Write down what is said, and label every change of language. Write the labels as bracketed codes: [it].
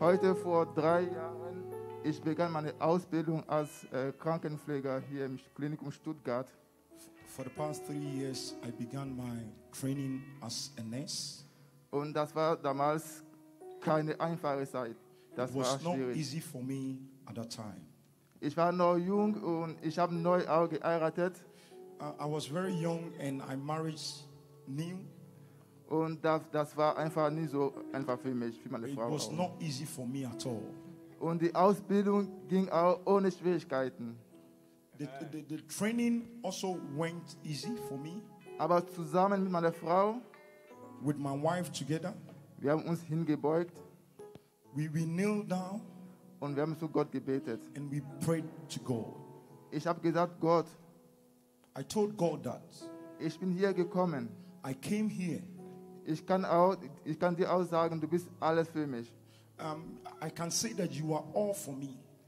[de] Heute vor 3 Jahren, ich begann meine Ausbildung als Krankenpfleger hier im Klinikum Stuttgart. [en] For the past 3 years, I began my training as a nurse. [de] Und das war damals keine einfache Zeit. Das [en] it was [de] war [en] not [de] schwierig. [en] Easy for me at that time. [de] Ich war noch jung und ich habe neu geheiratet. [en] I was very young and I married new. [de] Und das war einfach nicht so einfach für mich, für meine [en] it [de] Frau. [en] It was not easy for me at all. [de] Und die Ausbildung ging auch ohne Schwierigkeiten. [en] The training also went easy for me. [de] Aber zusammen mit meiner Frau, [en] with my wife together, [de] wir haben uns hingebeugt. [en] We kneeled down. [de] Und wir haben zu Gott gebetet. [en] And we prayed to God. [de] Ich habe gesagt, Gott, [en] I told God that. [de] Ich bin hier gekommen. [en] I came here. [de] Ich kann dir auch sagen, du bist alles für mich. [en] I can say that you are all for me.